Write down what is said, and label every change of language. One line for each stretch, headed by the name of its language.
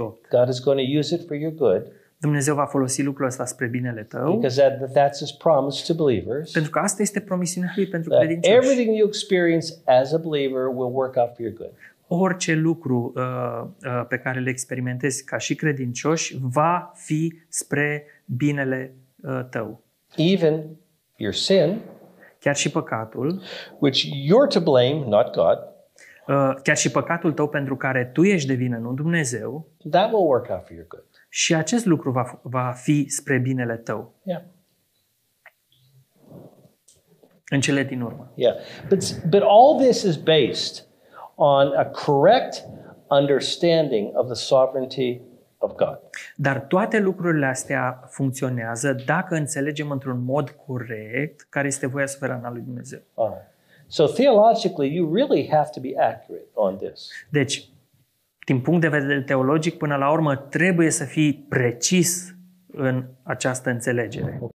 English: God is going to use it for your good.
Romanian: Dumnezeu va folosi lucrul ăsta spre binele tău.
English: Because that's his promise to believers.
Romanian: Pentru că asta este promisiunea lui pentru credincioși.
English: Everything you experience as a believer will work out for your good.
Romanian: Orice lucru pe care le experimentezi ca și credincioși va fi spre binele tău.
English: Even your sin,
Romanian: chiar și păcatul,
English: which you're to blame, not God.
Romanian: Chiar și păcatul tău pentru care tu ești de vină, nu Dumnezeu.
English: That will work out for your good.
Romanian: Și acest lucru va fi spre binele tău.
English: Yeah.
Romanian: În cele din urmă.
English: Yeah. But all this is based on a correct understanding of the sovereignty of God.
Romanian: Dar toate lucrurile astea funcționează dacă înțelegem într-un mod corect care este voia suverană a lui Dumnezeu.
English: So theologically you really have to be accurate on this.
Romanian: Deci din punct de vedere teologic, până la urmă, trebuie să fii precis în această înțelegere.